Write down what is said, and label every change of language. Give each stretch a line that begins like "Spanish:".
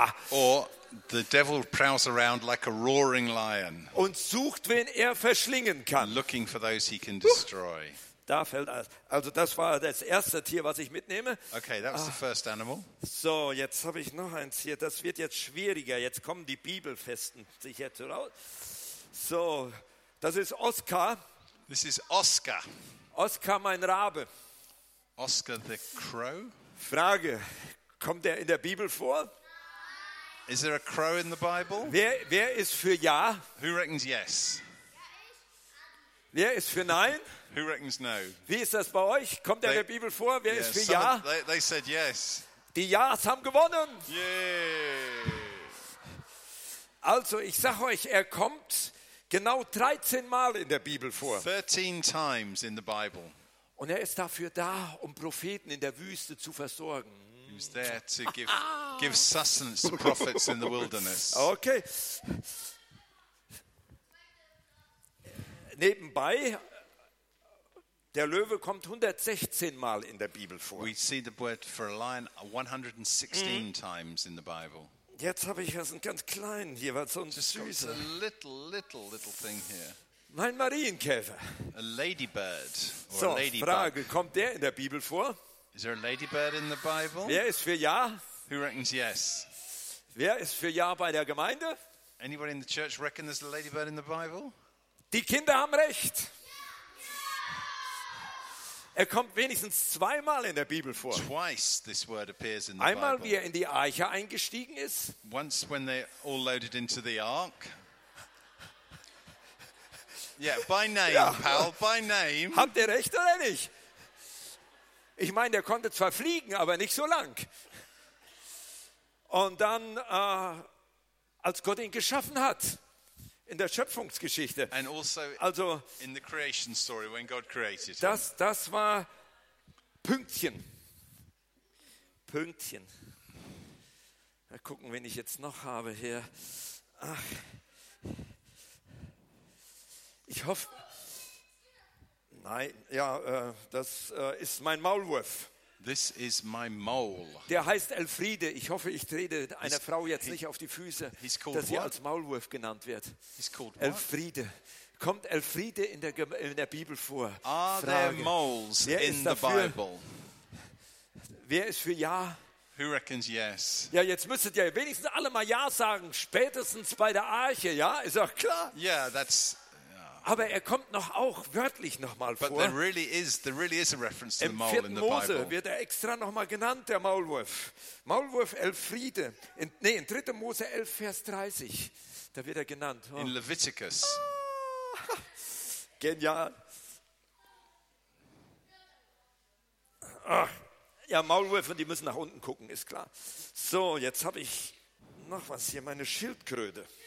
English: Or the devil prowls around like a roaring lion.
German: Und sucht, wen er verschlingen kann.
English: Looking for those he can destroy.
German: Da fällt also das war das erste Tier, was ich mitnehme.
English: Okay, that was the first animal.
German: So, jetzt habe ich noch eins hier. Das wird jetzt schwieriger. Jetzt kommen die Bibelfesten sich jetzt raus. So, das ist Oscar.
English: This is Oscar.
German: Oscar, mein Rabe.
English: Oscar the crow?
German: Frage, kommt er in der Bibel vor?
English: Is there a crow in the Bible?
German: Wer ist für Ja?
English: Who reckons yes?
German: Wer ist für Nein?
English: Who reckons no?
German: Wie ist das bei euch? Kommt er in der Bibel vor? Wer ist für Ja?
English: They said yes.
German: Die Ja's haben gewonnen.
English: Yeah.
German: Also, ich sag euch, er kommt genau 13 Mal in der Bibel vor.
English: 13 times in the Bible.
German: Und er ist dafür da, um Propheten in der Wüste zu versorgen.
English: He was there to give sustenance to prophets in the wilderness. Okay.
German: Nebenbei, der Löwe kommt 116 Mal in der Bibel vor.
English: We see the word for a lion 116 times in the Bible.
German: Jetzt habe ich erst einen ganz kleinen hier, was so ein süßer.
English: Little thing here.
German: Mein Marienkäfer.
English: A ladybird. Or so, a ladybug.
German: Frage, kommt der in der Bibel vor?
English: Is there a ladybird in the Bible?
German: Wer ist für Ja?
English: Who reckons yes?
German: Wer ist für Ja bei der Gemeinde?
English: Anybody in the church reckon there's a ladybird in the Bible?
German: Die Kinder haben recht. Er kommt wenigstens zweimal in der Bibel vor.
English: Twice this word appears in the
German: Einmal,
English: Bible.
German: Wie er in die Arche eingestiegen ist.
English: Once when they all loaded into the ark. Yeah, by name, ja. Pal, by name.
German: Habt ihr recht oder nicht? Ich meine, der konnte zwar fliegen, aber nicht so lang. Und dann, als Gott ihn geschaffen hat, in der Schöpfungsgeschichte.
English: And also, also in the creation story, when God created
German: das,
English: him.
German: Das war Pünktchen. Pünktchen. Mal gucken, wen ich jetzt noch habe hier. Ach. Ich hoffe... Nein, ja, das ist mein Maulwurf.
English: This is my mole.
German: Der heißt Elfriede. Ich hoffe, ich trete einer Frau jetzt nicht auf die Füße, dass sie als Maulwurf genannt wird.
English: He's called
German: Elfriede. Kommt Elfriede in der Bibel vor?
English: Are there moles in the Bible?
German: Wer ist für Ja?
English: Who reckons yes?
German: Ja, jetzt müsstet ihr wenigstens alle mal Ja sagen, spätestens bei der Arche, ja? Ist auch klar.
English: Yeah, that's...
German: Aber er kommt noch auch wörtlich nochmal vor.
English: But there really is a reference to the mole in the Bible.
German: Im 4. Mose wird er extra nochmal genannt, der Maulwurf. Maulwurf Elfriede. In 3. Mose 11, Vers 30. Da wird er genannt.
English: Oh. In Leviticus.
German: Ah, genial. Ach, ja, Maulwurf, und die müssen nach unten gucken, ist klar. So, jetzt habe ich noch was hier, meine Schildkröte.